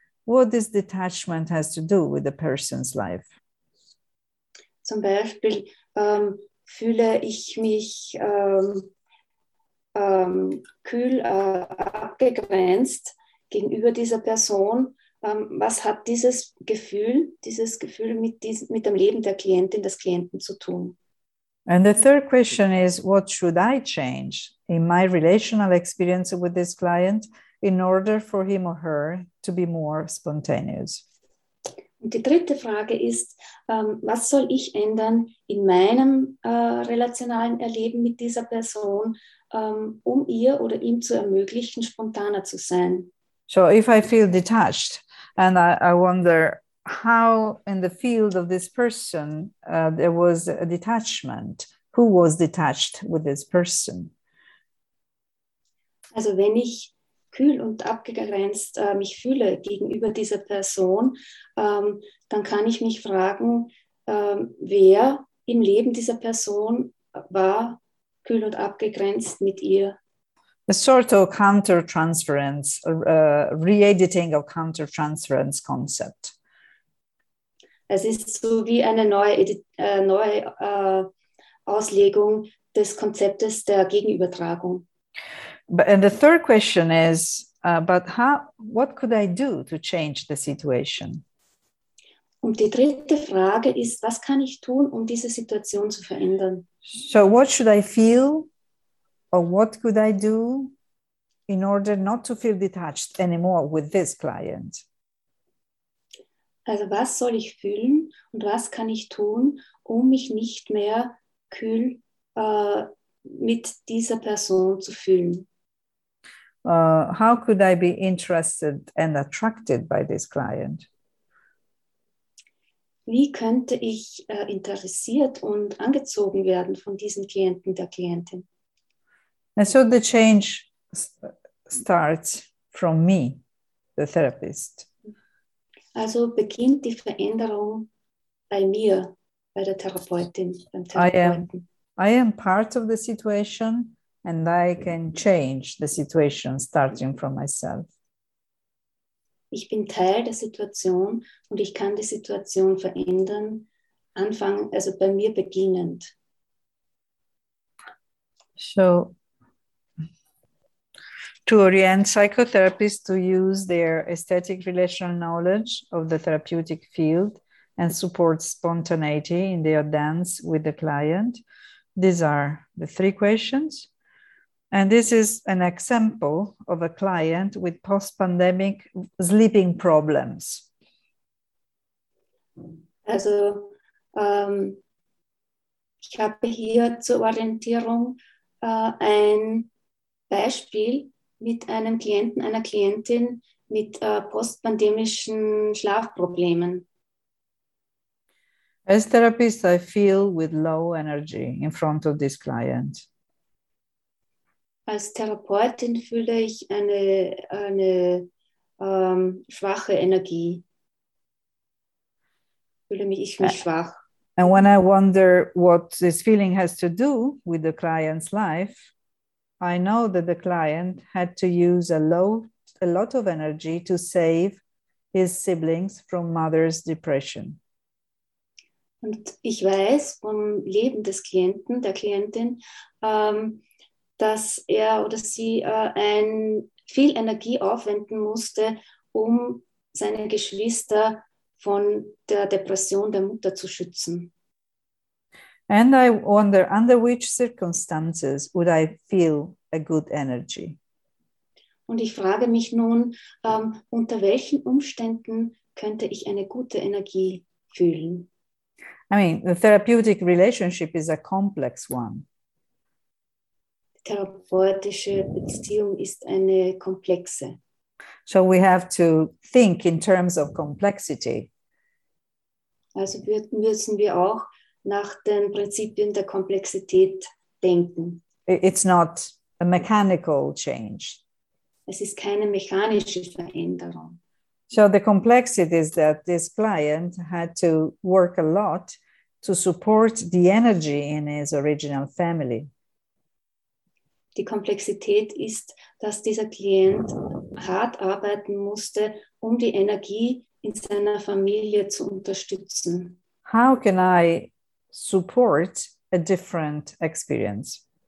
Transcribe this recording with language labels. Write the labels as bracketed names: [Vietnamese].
[English] What this detachment has to do with the person's life? [German] Zum Beispiel fühle ich mich kühl abgegrenzt gegenüber dieser Person. Was hat dieses Gefühl mit dem Leben der Klientin, des Klienten zu tun? [English] And the third question is, what should I change in my relational experience with this client in order for him or her to be more spontaneous? [German] Und die dritte Frage ist, was soll ich ändern in meinem relationalen Erleben mit dieser Person, um ihr oder ihm zu ermöglichen, spontaner zu sein? [English] So if I feel detached and I wonder, how in the field of this person there was a detachment? Who was detached with this person? [German] Also wenn ich kühl und abgegrenzt mich fühle gegenüber dieser Person, dann kann ich mich fragen, wer im Leben dieser Person war kühl und abgegrenzt mit ihr? [English] A sort of counter-transference, re-editing of counter-transference concept. [German] Es ist so wie eine neue Auslegung des Konzeptes der Gegenübertragung. [English] And the third question is, what could I do to change the situation? [German] Und die dritte Frage ist, was kann ich tun, um diese Situation zu verändern? [English] So what should I feel or what could I do in order not to feel detached anymore with this client? [German] Also was soll ich fühlen und was kann ich tun, um mich nicht mehr kühl mit dieser Person zu fühlen? [English] How could I be interested and attracted by this client? [German] Wie könnte ich interessiert und angezogen werden von diesem Klienten, der Klientin? [English] And so the change starts from me, the therapist. [German] Also beginnt die Veränderung bei mir, [English] by the [German] therapeutin. [English] I am part of the situation, and I can change the situation starting from myself. [German] Ich bin Teil der Situation und ich kann die Situation verändern, anfangen, also bei mir beginnend. [English] So, to orient psychotherapists to use their aesthetic relational knowledge of the therapeutic field and support spontaneity in their dance with the client. These are the three questions. And this is an example of a client with post-pandemic sleeping problems. [German] Also, ich habe hier zur Orientierung ein Beispiel mit einem Klienten, einer Klientin mit post-pandemischen Schlafproblemen. [English] As therapist, I feel with low energy in front of this client. [German] Als Therapeutin fühle ich eine schwache Energie. Fühle mich schwach. [English] And when I wonder what this feeling has to do with the client's life, I know that the client had to use a lot of energy to save his siblings from mother's depression. [German] Und ich weiß vom Leben des Klienten, der Klientin, dass er oder sie viel Energie aufwenden musste, um seine Geschwister von der Depression der Mutter zu schützen. [English] And I wonder, under which circumstances would I feel a good energy? [German] Und ich frage mich nun, unter welchen Umständen könnte ich eine gute Energie fühlen? [English] I mean, the therapeutic relationship is a complex one. [German] Therapeutische Beziehung ist eine komplexe. [English] So we have to think in terms of complexity. [German] Also müssen wir auch nach den Prinzipien der Komplexität denken. [English] It's not a mechanical change. [German] Es ist keine mechanische Veränderung. [English] So the complexity is that this client had to work a lot to support the energy in his original family. [German] Die Komplexität ist, dass dieser Klient hart arbeiten musste, um die Energie in seiner Familie zu unterstützen. [English] How can I support a different experience?